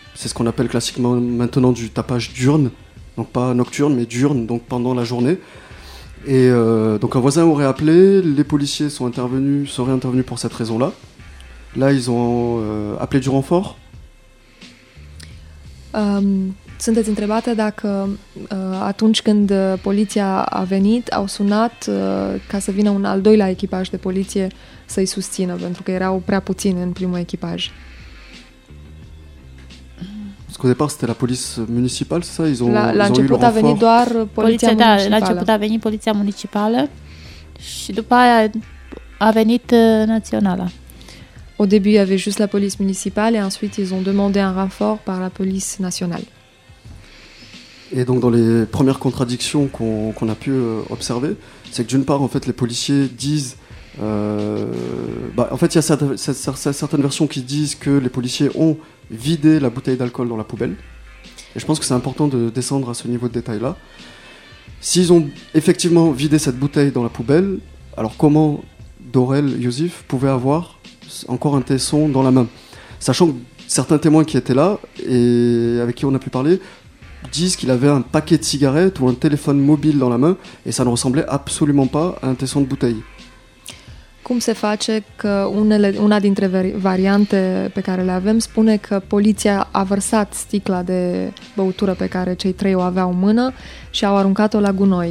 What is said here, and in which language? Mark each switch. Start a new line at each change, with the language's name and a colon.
French: C'est ce qu'on appelle classiquement maintenant du tapage diurne. Donc pas nocturne, mais diurne, donc pendant la journée. Et donc un voisin aurait appelé, les policiers seraient intervenus pour cette raison-là. Là, ils ont appelé du renfort.
Romanian: Sunteți întrebată dacă atunci când poliția a venit, au sunat ca să vină un al doilea echipaj de poliție să-i susțină, pentru că erau prea puțini în primul echipaj.
French: Au départ, c'était la police municipale, c'est ça? Ils ont
Romanian: la început a venit doar poliția municipală. La început a venit poliția municipală și după aia a venit națională.
French: Au début, il y avait juste la police municipale et ensuite ils ont demandé un renfort par la police nationale. Et donc dans les premières contradictions qu'on a pu observer, c'est que d'une part, en fait, les policiers disent en fait, il y a certaines versions qui disent que les policiers ont vider la bouteille d'alcool dans la poubelle. Et je pense que c'est important de descendre à ce niveau de détail-là. S'ils ont effectivement vidé cette bouteille dans la poubelle, alors comment Dorel Yosif pouvait avoir encore un tesson dans la main? Sachant que certains témoins qui étaient là et avec qui on a pu parler disent qu'il avait un paquet de cigarettes ou un téléphone mobile dans la main et ça ne ressemblait absolument pas à un tesson de bouteille.
Romanian: Cum se face că una dintre variante pe care le avem spune că poliția a vărsat sticla de băutură pe care cei trei o aveau în mână și au aruncat-o la gunoi?